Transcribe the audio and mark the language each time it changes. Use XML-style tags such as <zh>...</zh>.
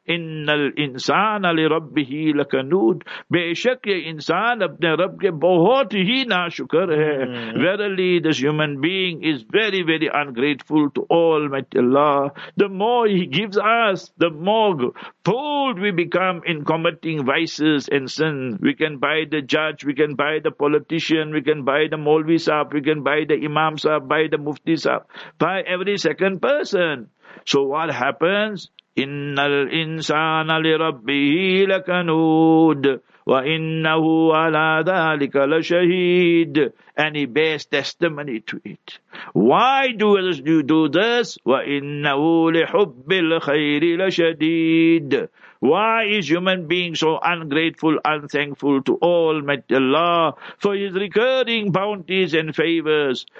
<ar>إِنَّ الْإِنسَانَ لِرَبِّهِ لَكَنُودٌ</ar> <ur>بے شک یہ انسان اپنے رب کے بہت ہی ناشکر ہے</ur> <en>Verily this human being is very very ungrateful to Almighty Allah The more he gives us the more pulled we become in committing vices and sin We can buy the judge We can buy the politician We can buy the Maulvi sahab We can buy the Imam sahab Buy the Mufti sahab Buy every second person So what happens?</en> <ar>إن الإنسان لربه لكنود وإنه على ذلك لشهيد.</ar> <en>And he bears testimony to it. Why do you do this?</en> <ar>وإنه لحب الخير لشديد.</ar> <en>Why is human being so ungrateful, unthankful to Almighty Allah for his recurring bounties and favors?</en>